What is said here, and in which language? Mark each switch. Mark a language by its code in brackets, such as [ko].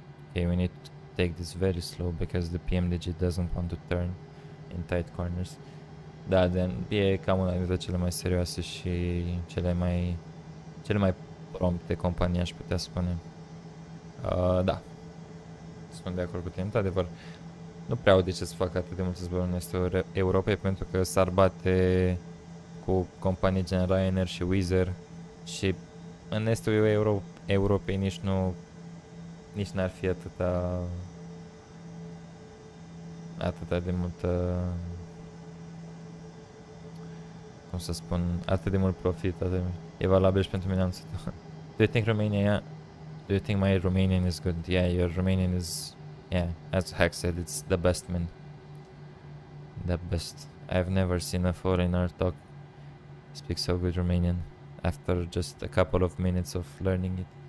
[en] Okay, we need to take this very slow because the PMDG doesn't want to turn in tight corners. [ro] Da, then e cam una dintre cele mai serioase și cele mai prompte companii, aș putea spune. Da. Sunt de acord cu tine, într-adevăr. Nu prea au de ce să facă atât de multe zboruri în estul Europei pentru că s-ar bate cu companii gen Ryanair și Wizz Air și în estul Europei nici n-ar fi atâta de multă, cum să spun, atât de mult profit, atât de mult. E valabil și pentru mine, am zis. [en] Do you think my Romanian is good? Yeah, your Romanian is, yeah, as Hack said, it's the best, man. The best. I've never seen a foreigner speak so good Romanian after just a couple of minutes of learning it.